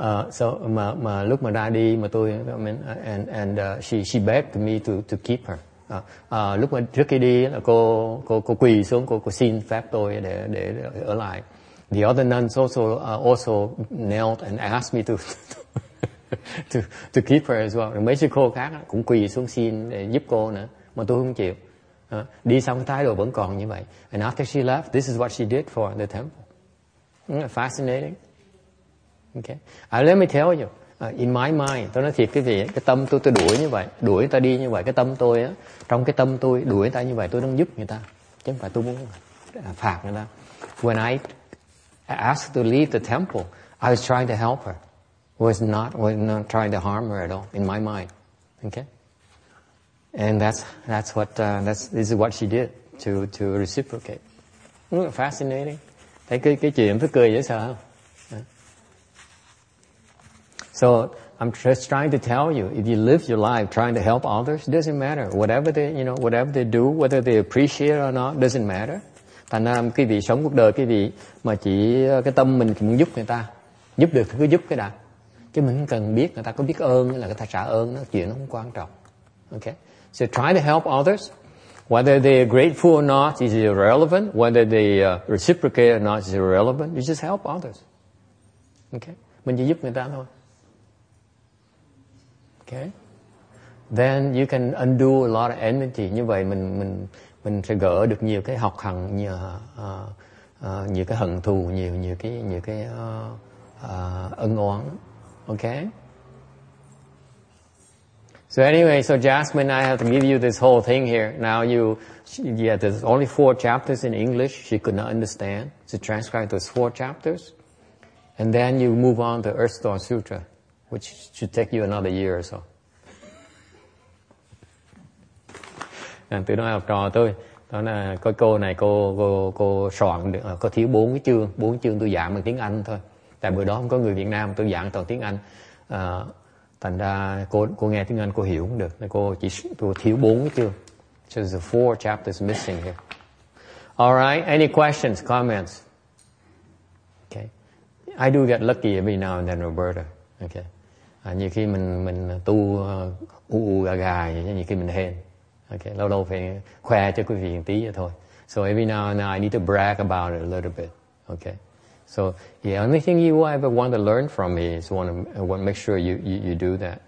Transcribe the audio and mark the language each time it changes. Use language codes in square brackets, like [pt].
[en] So [vi] lúc mà ra đi, mà tôi, [en] I mean, she begged me to keep her. [vi] Lúc mà trước khi đi là cô quỳ xuống, cô xin phép tôi để ở lại. [en] The other nuns also knelt and asked me to keep her as well. [vi] Mấy sư cô khác cũng quỳ xuống xin để giúp cô nữa. Mà tôi không chịu. Đi xong cái thái độ vẫn còn như vậy. [en] And after she left, this is what she did for the temple. Fascinating. Okay. Let me tell you. In my mind, [vi] tôi nói thiệt cái gì, cái tâm tôi đuổi như vậy, đuổi người ta đi như vậy, cái tâm tôi á, trong cái tâm tôi đuổi người ta như vậy, tôi đang giúp người ta. Chứ không phải tôi muốn phạt người ta. [en] When I asked to leave the temple, I was trying to help her. Was not trying to harm her at all, in my mind. Okay. And this is what she did to reciprocate. Fascinating. [vi] Thấy cái chuyện phải cười dễ sợ không? [en] So I'm just trying to tell you, if you live your life trying to help others, it doesn't matter. Whatever they, you know, whatever they do, whether they appreciate or not, doesn't matter. [vi] Thành ra quý vị sống cuộc đời, quý vị mà chỉ cái tâm mình muốn giúp người ta, giúp được thì cứ giúp cái đã. Chứ mình cần biết người ta có biết ơn hay là người ta trả ơn, nó chuyện nó không quan trọng. [en] Okay. So try to help others, whether they are grateful or not is irrelevant. Whether they reciprocate or not is irrelevant. You just help others. [vi] Okay, mình chỉ giúp người ta thôi. [en] Okay, then you can undo a lot of enmity. [vi] Như vậy mình sẽ gỡ được nhiều cái học hằng, nhiều cái hận thù, nhiều cái ân oán. [en] Okay. So anyway, so Jasmine, I have to give you this whole thing here. Now there's only 4 chapters in English. She could not understand. So transcribe those 4 chapters. And then you move on to Earth Stone Sutra, which should take you another year or so. [vi] Nàng tự nói học trò tôi. Đó là coi cô này, cô soạn, có thiếu 4 cái chương. 4 chương tôi giảng bằng tiếng Anh thôi. Tại bữa đó không có người Việt Nam, tôi giảng toàn tiếng Anh. Thành ra cô nghe tiếng Anh cô hiểu không được. Nên cô chỉ tôi thiếu 4 cái chương. [en] So there's 4 chapters missing here. Alright, any questions, comments? Okay. I do get lucky every now and then, Roberta. Okay. [vi] Nhiều khi mình tu u gà gà, nhiều khi mình hên. Okay, lâu lâu phải khoe cho quý vị một tí vậy thôi. [en] So every now and then I need to brag about it a little bit. Okay. So, yeah, only thing you ever want to learn from me is want to make sure you do that.